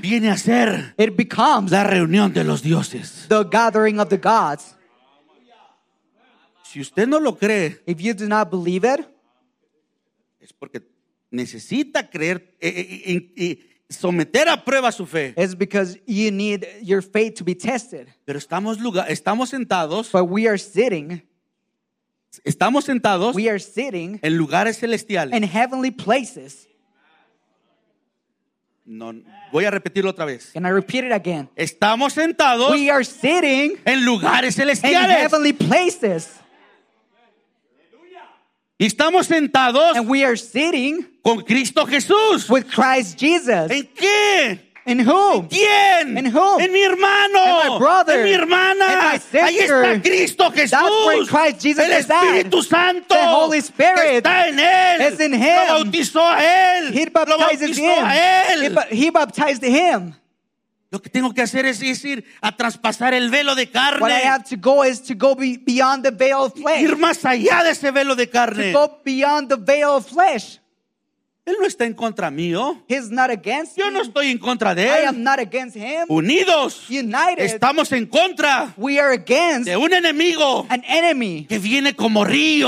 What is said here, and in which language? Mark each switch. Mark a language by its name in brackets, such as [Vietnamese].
[Spanish] viene a ser [English] it becomes [Spanish] la reunión de los dioses. [English] The gathering of the gods. [Spanish] Si usted no lo cree, [English] if you do not believe it, [Spanish] es porque necesita creer y someter a prueba su fe. [English] It's because you need your faith to be tested. [Spanish] Pero estamos sentados. [English] But we are sitting. [Spanish] Estamos sentados. [English] We are sitting [Spanish] en lugares celestiales. [English] In heavenly places. [Spanish] No, voy a repetirlo otra vez. [English] Can I repeat it again? [Spanish] Estamos sentados. [English] We are sitting [Spanish] en lugares celestiales. [English] In heavenly places. [Spanish] Y estamos sentados. [English] And we are sitting [Spanish] con Cristo Jesús. [English] With Christ Jesus. [Spanish] ¿En qué? [English] In whom? [Spanish] ¿Quién? [English] In whom? [Spanish] En mi hermano. [English] In my brother. [Spanish] En mi hermana. [English] In my sister. [Spanish] Ahí está Cristo Jesús. [English] That's where Christ Jesus is at. [Spanish] El Espíritu Santo. [English] The Holy Spirit. [Spanish] Está en él. [English] Is in him. [Spanish] Lo bautizó a él. [English] He baptizes him. [Spanish] A él. [English] He baptized him. [Spanish] Lo que tengo que hacer es ir a traspasar el velo de carne. [English] What I have to go is to go beyond the veil of flesh. [Spanish] Ir más allá de ese velo de carne. [English] To go beyond the veil of flesh. [Spanish] Él no está en contra mío. [English] He's not against [Spanish] Yo [English] me. [Spanish] No estoy en contra de él. [English] I am not against him. [Spanish] Unidos. [English] United. [Spanish] Estamos en contra. [English] We are against. [Spanish] De un enemigo. [English] An enemy. [Spanish] Que viene como río.